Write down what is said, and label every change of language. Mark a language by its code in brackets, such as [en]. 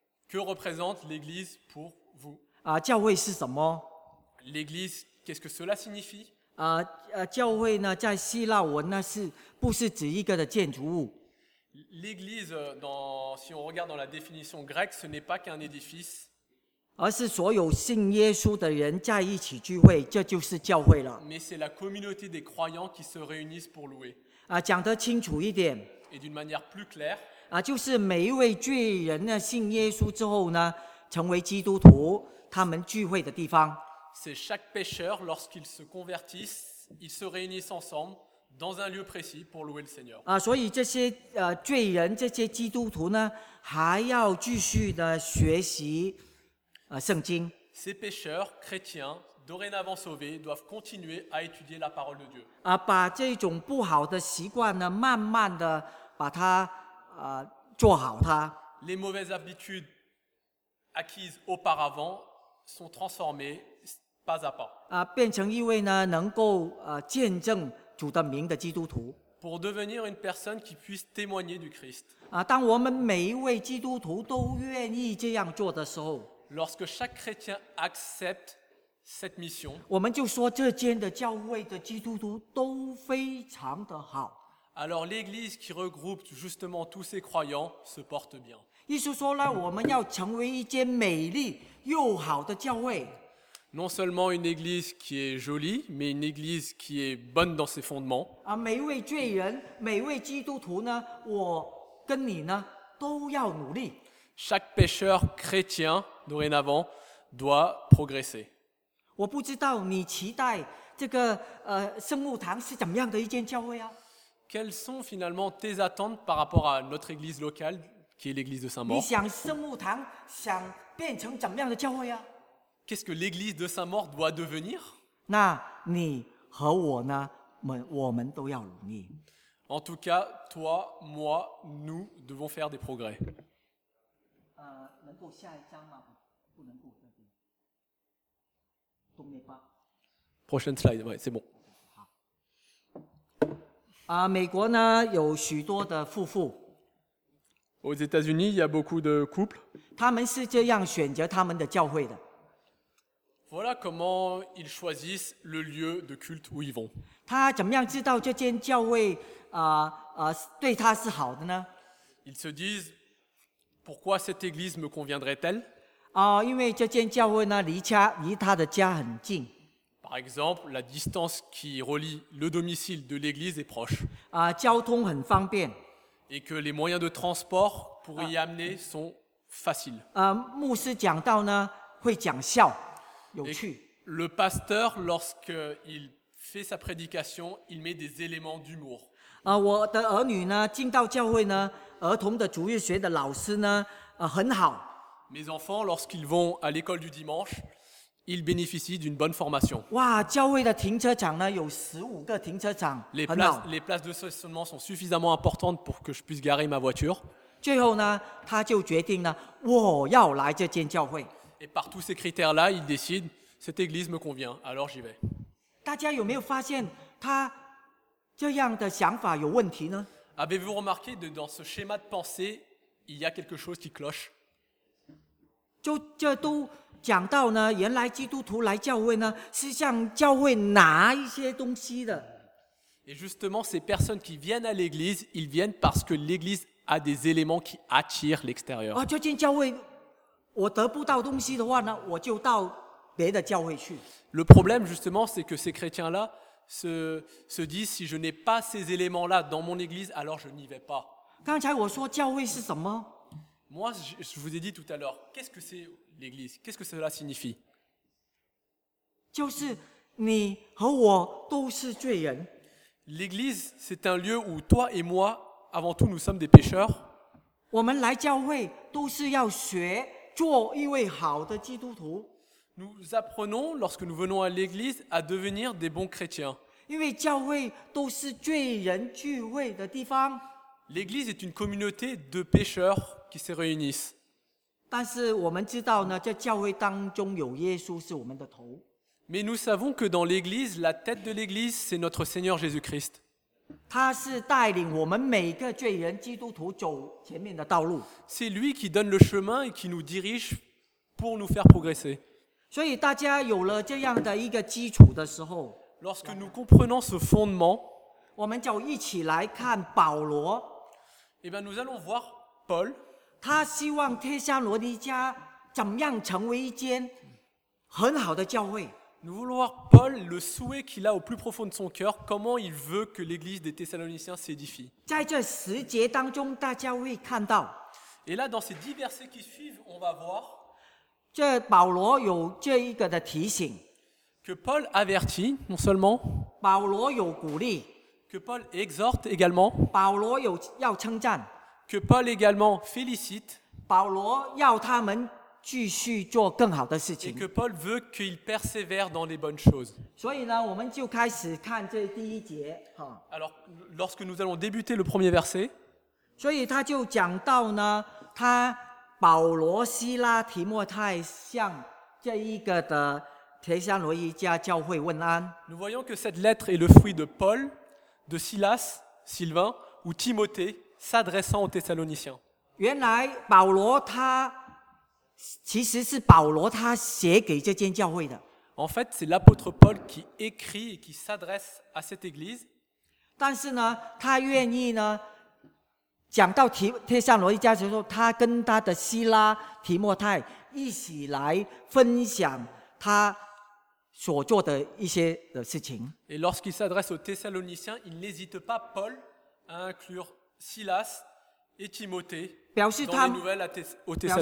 [fr] ？Que représente l'Église pour vous？ [zh] 教会是什么 [fr] ？L'Église, qu'est-ce que cela signifie？ [zh] 教会呢，在希腊文呢是。不是指一个的建筑物。 [fr] L'église, dans, si on regarde dans la définition grecque, ce n'est pas qu'un édifice. [zh] 而是所有信耶稣的人在一起聚会，这就是教会了。 [fr] Mais c'est la communauté des croyants qui se réunissent pour louer. [zh] 讲得清楚一点。 [fr] Et d'une manière plus claire. [zh] 就是每一位罪人呢，信耶稣之后呢，成为基督徒，他们聚会的地方。 [fr] C'est chaque pécheur lorsqu'ils se convertissent, ils se réunissent ensemble. Dans un lieu précis pour louer le Seigneur. [zh] 所以这些罪人、这些基督徒呢，还要继续的学习圣经。 [fr] Ces pécheurs chrétiens, dorénavant sauvés, doivent continuer à étudier la parole de Dieu. [zh] 把这种不好的习惯呢，慢慢的把它做好它。 [fr] Les mauvaises habitudes acquises auparavant sont transformées pas à pas. [zh] 变成一位呢，能够见证。主的名的基督徒。 [fr] Pour devenir une personne qui puisse témoigner du Christ. [zh] 当我们每一位基督徒都愿意这样做的时候。 [fr] Lorsque chaque chrétien accepte cette mission. [zh] 我们就说这间的教会的基督徒都非常的好。 [fr] Alors l'église qui regroupe justement tous ces croyants se porte bien. [zh] 意思说呢，我们要成为一间美丽又好的教会。 [fr] Non seulement une église qui est jolie, mais une église qui est bonne dans ses fondements. [zh] 每位罪人，每位基督徒呢，我跟你呢都要努力。 [fr] Chaque pécheur chrétien dorénavant doit progresser. [zh] 我不知道你期待这个圣母堂是怎么样的一间教会啊？ [fr] Quelles sont finalement tes attentes par rapport à notre église locale, qui est l'église de Saint-Maur? [zh] 你想圣母堂想变成怎么样的教会啊？ [fr] Qu'est-ce que l'église de Saint-Maur doit devenir? [zh] 那你和我呢？我们都要努力。 [fr] En tout cas, toi, moi, nous devons faire des progrès. [zh] 能够下一张吗？不能够。 [fr] Prochaine slide, ouais, c'est bon. [zh] 啊，美国呢有许多的夫妇。 [fr] Aux États-Unis, il y a beaucoup de couples. [zh] 他们是这样选择他们的教会的。 [fr] Voilà comment ils choisissent le lieu de culte où ils vont. [zh] 他怎么样知道这间教会对他是好的呢？ [fr] Ils se disent pourquoi cette église me conviendrait-elle? [zh] 因为这间教会呢离他的家很近。 [fr] Par exemple, la distance qui relie le domicile de l'église est proche. [zh] 交通很方便。 [fr] Et que les moyens de transport pour y amener sont faciles. [zh] 牧师讲到呢会讲笑，有趣。 [fr] Le pasteur, lorsqu'il fait sa prédication, il met des éléments d'humour. [zh] 我的儿女呢进到教会呢，儿童的主日学的老师呢很好。 [fr] Mes enfants, lorsqu'ils vont à l'école du dimanche, ils bénéficient d'une bonne formation. [zh] 哇，教会的停车场呢有15个停车场，很好。 [fr] Les places de stationnement sont suffisamment importantes pour que je puisse garer ma voiture. [zh] 最后呢，他就决定了，我要来这间教会。 [fr] Et par tous ces critères-là, il décide, cette église me convient, alors j'y vais. [zh] 大家有没有发现他这样的想法有问题呢？ [fr] Avez-vous remarqué que dans ce schéma de pensée, il y a quelque chose qui cloche? [zh] 就这都讲到呢，原来基督徒来教会呢，是向教会拿一些东西的。 [fr] Et justement, ces personnes qui viennent à l'église, ils viennent parce que l'église a des éléments qui attirent l'extérieur. [zh] 这间教会我得不到东西的话呢，我就到别的教会去。 [fr] Le problème justement, c'est que ces chrétiens-là se disent, si je n'ai pas ces éléments-là dans mon église, alors je n'y vais pas. [zh] 刚才我说教会是什么？ [fr] Moi, je vous ai dit tout à l'heure, qu'est-ce que c'est l'Église? Qu'est-ce que cela signifie? [zh] 就是你和我都是罪人。 [fr] L'Église, c'est un lieu où toi et moi, avant tout, nous sommes des pécheurs. [zh] 我们来教会都是要学做一位好的基督徒。 [fr] Nous apprenons, lorsque nous venons à l'Église, à devenir des bons chrétiens. [zh] 因为教会都是罪人聚会的地方。 [fr] L'Église est une communauté de pécheurs. Qui se réunissent. [zh] 但是我们知道呢，这教会当中有耶稣是我们的头。 [fr] Mais nous savons que dans l'Église, la tête de l'Église, c'est notre Seigneur Jésus-Christ. [zh] 他是带领我们每个罪人基督徒走前面的道路。 [fr] C'est lui qui donne le chemin et qui nous dirige pour nous faire progresser. [zh] 所以大家有了这样的一个基础的时候 [fr] ，Lorsque nous comprenons ce fondement, [zh] 我们就一起来看保罗。 [fr] Eh bien, nous allons voir Paul. [zh] 他希望帖撒罗尼迦怎么样成为一间很好的教会。 [fr] Nous voulons voir Paul, le souhait qu'il a au plus profond de son cœur, comment il veut que l'église des Thessaloniciens s'édifie. [zh] 在这十节当中，大家会看到。 [fr] Et là, dans ces 10 versets qui suivent, on va voir. [zh] 这保罗有这一个的提醒。 [fr] Que Paul avertit, non seulement. [zh] 保罗有鼓励。 [fr] Que Paul exhorte également. [zh] 保罗有要称赞。 [fr] Que Paul également félicite. [zh] 保罗要他们继续做更好的事情。 [fr] Et que Paul veut qu'ils persévèrent dans les bonnes choses. [zh] 所以呢，我们就开始看这第一节。 [fr] Alors, lorsque nous allons débuter le premier verset. [zh] 所以他就讲到呢，他保罗、希拉、提摩太向这一个的帖撒罗尼迦教会问安。 [fr] Nous voyons que cette lettre est le fruit de Paul, de Silas, Sylvain ou Timothée. S'adressant aux Thessaloniciens. [zh] 原来保罗他其实是保罗他写给这间教会的。 [fr] En fait, c'est l'apôtre Paul qui écrit et qui s'adresse à cette église. [zh] 但是呢，他愿意呢讲到帖撒罗尼迦的时候，他跟他的希拉、提摩太一起来分享他所做的一些的事情。 [fr] Et lorsqu'il s'adresse aux Thessaloniciens, il n'hésite pas Paul à inclureSilas et Timothée dans les nouvelles aux Thessaloniciens.